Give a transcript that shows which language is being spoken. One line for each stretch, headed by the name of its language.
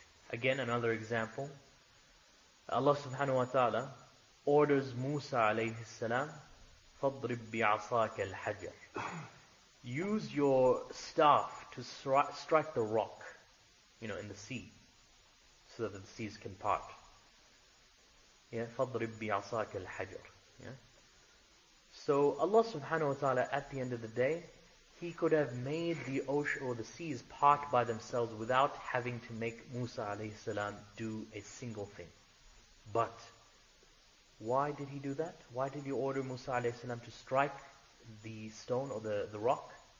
English: Again, another example. Allah subhanahu wa ta'ala orders Musa alayhi salam,
Arabic: فَضْرِبْ بِعَصَاكَ الْحَجَرِ
English: Use your staff to strike the rock, you know, in the sea, so that the seas can part. Yeah,
Arabic: فَضْرِبْ بِعَصَاكَ الْحَجَرِ
English: Yeah. So Allah subhanahu wa ta'ala, at the end of the day, He could have made the ocean or the seas part by themselves without having to make Musa alayhi salam do a single thing. But why did he do that? Why did he order Musa alayhi salam to strike the stone or the rock?